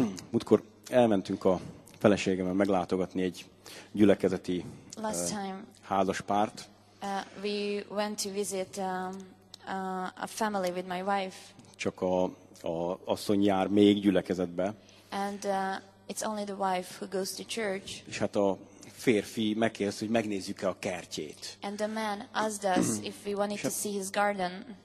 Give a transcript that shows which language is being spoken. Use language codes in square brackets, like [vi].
[hu] Múltkor elmentünk a feleségemmel meglátogatni egy gyülekezeti házas párt. [en] We went to visit a family with my wife. [hu] Csak a asszony jár még gyülekezetbe. [en] And it's only the wife who goes to church. [hu] És hát a férfi megkérdezte, hogy megnézzük-e a kertjét. [en] And the man asked us if we wanted to see his garden.